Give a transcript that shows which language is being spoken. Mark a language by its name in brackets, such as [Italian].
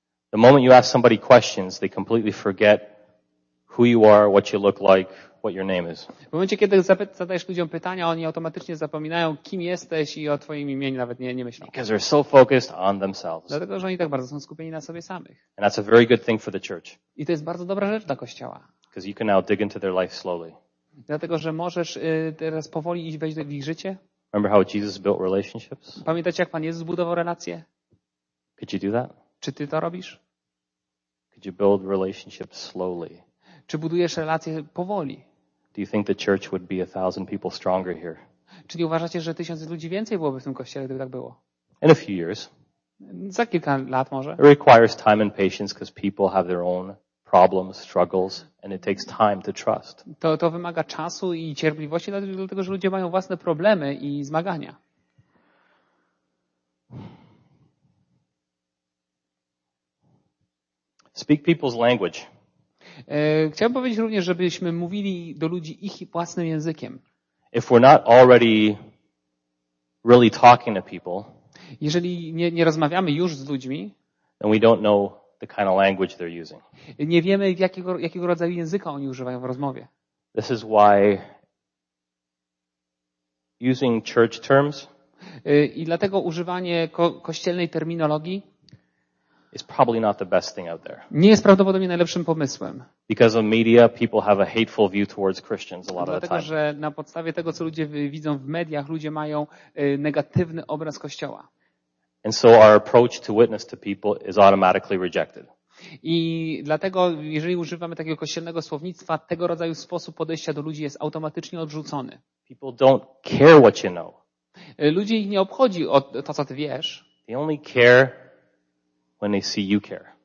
[English] The moment you ask somebody questions, they completely forget who you are, what you look like, what your name is. [Polish] W momencie, kiedy zadajesz ludziom pytania, oni automatycznie zapominają, kim jesteś i o twoim imieniu nawet nie myślą. [English] Because they're so focused on themselves. [Polish] Dlatego, że oni tak bardzo są skupieni na sobie samych. [English] And that's a very good thing for the church. [Polish] I to jest bardzo dobra rzecz dla Kościoła. [English] Because you can now dig into their life slowly. [Polish] Dlatego, że możesz teraz powoli iść wejść w ich życie. [English] Remember how Jesus built relationships? [Polish] Pamiętacie, jak Pan Jezus budował relacje? [English] Could you do that? [Polish] Czy ty to robisz? [English] Could you build relationships slowly? [Polish] Czy budujesz relacje powoli? [English] Do you think the church would be 1,000 people stronger here? [Polish] Czyli uważacie, że 1,000 ludzi więcej byłoby w tym kościele, gdyby tak było? [English] In a few years. [Polish] Za kilka lat może. [English] It requires time and patience because people have their own problems, struggles, and it takes time to trust. [Polish] To wymaga czasu i cierpliwości, dlatego że ludzie mają własne problemy i zmagania. [English] Speak people's language. [Polish] Chciałbym powiedzieć również, żebyśmy mówili do ludzi ich własnym językiem. [English] If we're not already really talking to people, [Polish] jeżeli nie rozmawiamy już z ludźmi, [English] then we don't know the kind of language they're using. [Polish] Nie wiemy, jakiego rodzaju języka oni używają w rozmowie. [English] This is why using church terms, [Polish] i dlatego używanie kościelnej terminologii [English] is probably not the best thing out there. [Polish] Nie jest prawdopodobnie najlepszym pomysłem. [English] Because of media, people have a hateful view towards Christians a lot [Polish] dlatego, [English] of the time. [Polish] Że na podstawie tego, co ludzie widzą w mediach, ludzie mają negatywny obraz Kościoła. [English] And so our approach to witness to people is automatically rejected. [Polish] I dlatego, jeżeli używamy takiego kościelnego słownictwa, tego rodzaju sposób podejścia do ludzi jest automatycznie odrzucony. [English] People don't care what you know. [Polish] Ludzi nie obchodzi o to, co ty wiesz. [English] They only care when they see you care.